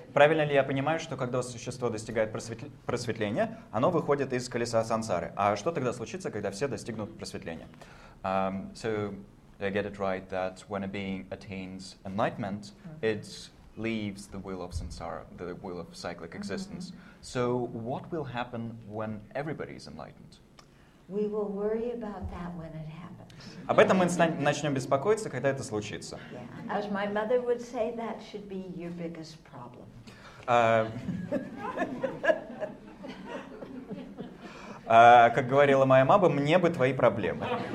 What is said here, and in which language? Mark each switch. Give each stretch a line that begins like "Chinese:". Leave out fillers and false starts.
Russian: Правильно ли я понимаю, что когда существо достигает просветления, оно выходит из колеса сансары? А что тогда случится, когда все достигнут просветления?
English: So, did I get it right that when a being attains enlightenment, it leaves the wheel of samsara, the wheel of cyclic existence. Mm-hmm. So, what will happen when everybody is enlightened? We will worry about that when it happens.
Russian: Об этом мы начнем беспокоиться, когда это случится.
English: Yeah. As my mother would say, that should be your biggest problem.
Russian: Как говорила моя мама, мне бы твои проблемы.